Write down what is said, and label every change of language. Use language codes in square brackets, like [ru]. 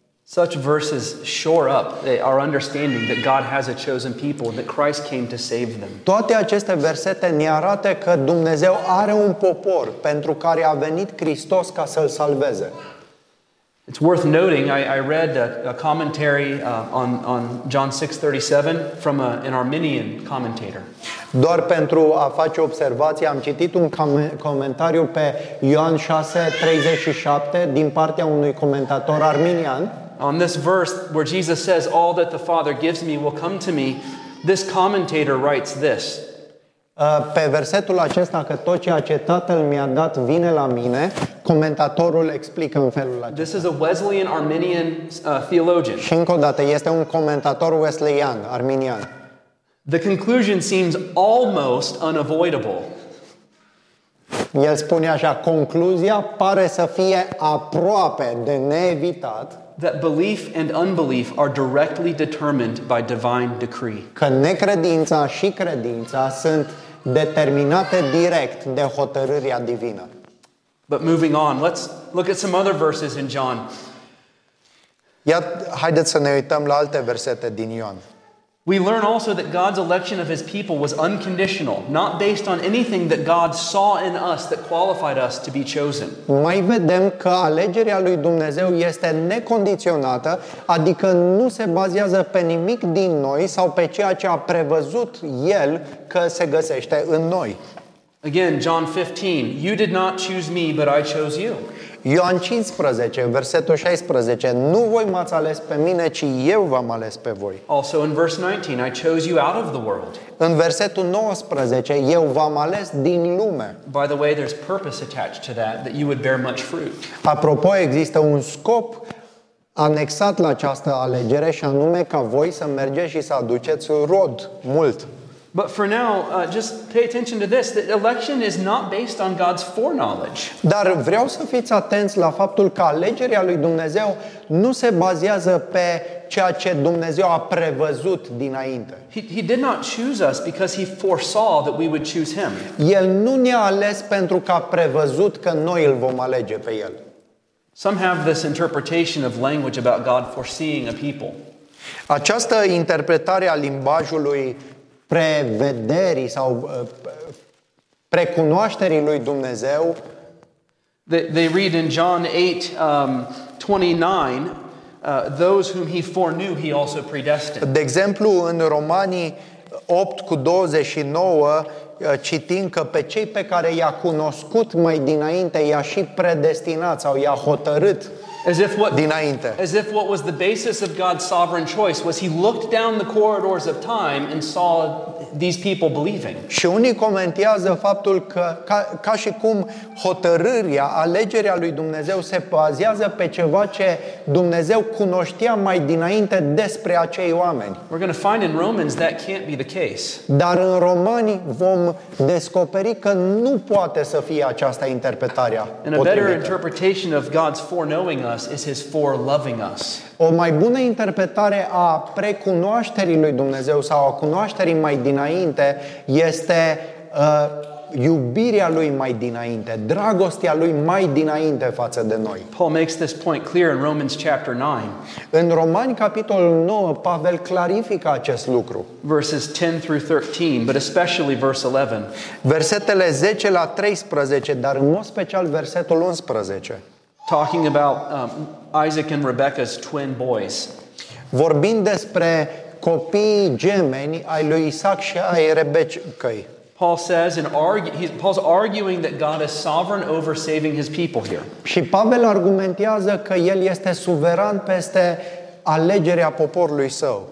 [en] Such verses shore up our understanding that God has a chosen people and that Christ came to save them. [ro] Toate aceste versete ne arată că Dumnezeu are un popor pentru care a venit Hristos ca să-l salveze. [en] It's worth noting, I read a commentary on John 6:37 from an Arminian commentator. [ro] Doar pentru a face observație, am citit un comentariu pe Ioan 6:37 din partea unui comentator arminian. [en] On this verse where Jesus says, all that the Father gives me will come to me, this commentator writes this. [ro] Pe versetul acesta, că tot ceea ce Tatăl mi-a dat vine la mine, comentatorul explică în felul acesta. [en] This is a Wesleyan Arminian theologian. [ro] Și încă o dată, este un comentator Wesleyan, arminian. [en] The conclusion seems almost unavoidable. [ro] El spune așa, concluzia pare să fie aproape de neevitat. [en] That belief and unbelief are directly determined by divine decree. [ro] Că necredința și credința sunt determinate direct de hotărârea divină. [en] But moving on, let's look at some other verses in John. [ro] Haideți să ne uităm la alte versete din Ioan. [en] We learn also that God's election of his people was unconditional, not based on anything that God saw in us that qualified us to be chosen. [ro] Mai vedem că alegerea lui Dumnezeu este necondiționată, adică nu se bazează pe nimic din noi sau pe ceea ce a prevăzut el că se găsește în noi. [en] Again, John 15, you did not choose me, but I chose you. [ro] Ioan 15, versetul 16, nu voi m-ați ales pe mine, ci eu v-am ales pe voi. [en] Also in verse 19, I chose you out of the world. [ro] În versetul 19, eu v-am ales din lume. [en] By the way, there's purpose attached to that, that you would bear much fruit. [ro] Apropo, există un scop anexat la această alegere și anume ca voi să mergeți și să aduceți rod mult. [en] But for now, just pay attention to this, that election is not based on God's foreknowledge. [ro] Dar vreau să fiți atenți la faptul că alegerea lui Dumnezeu nu se bazează pe ceea ce Dumnezeu a prevăzut dinainte. [en] He did not choose us because he foresaw that we would choose him. [ro] El nu ne-a ales pentru că a prevăzut că noi îl vom alege pe el. [en] Some have this interpretation of language about God foreseeing a people. [ro] Această interpretare a limbajului prevederii sau precunoașterii lui Dumnezeu. [en] They read in John 8:29, those whom he foreknew he also predestined. [ro] De exemplu, în Romanii 8:29 citim că pe cei pe care i-a cunoscut mai dinainte i-a și predestinat sau i-a hotărât. [en] As if what was the basis of God's sovereign choice was he looked down the corridors of time and saw these people believing. [ro] Și unii comentează faptul că ca și cum hotărârea, alegerea lui Dumnezeu se bazează pe ceva ce Dumnezeu cunoștea mai dinainte despre acei oameni. [en] We're going to find in Romans that can't be the case. [ro] Dar în Romani vom descoperi că nu poate să fie aceasta interpretarea. [en] And a better interpretation of God's foreknowing us is his foreloving us. [ro] O mai bună interpretare a precunoașterii lui Dumnezeu sau a cunoașterii mai dinainte este iubirea lui mai dinainte, dragostea lui mai dinainte față de noi. [en] Paul makes this point clear in Romans chapter 9. [ro] În Romani capitolul 9, Pavel clarifică acest lucru. [en] Verses 10 through 13, but especially verse 11. [ro] Versetele 10 la 13, dar în mod special versetul 11. [en] Talking about Isaac and Rebecca's twin boys. [ro] Vorbind despre copiii gemeni ai lui Isaac și ai Rebecăi. [en] Paul says Paul's arguing that God is sovereign over saving his people here. [ro] Și Pavel argumentează că el este suveran peste alegerea poporului său.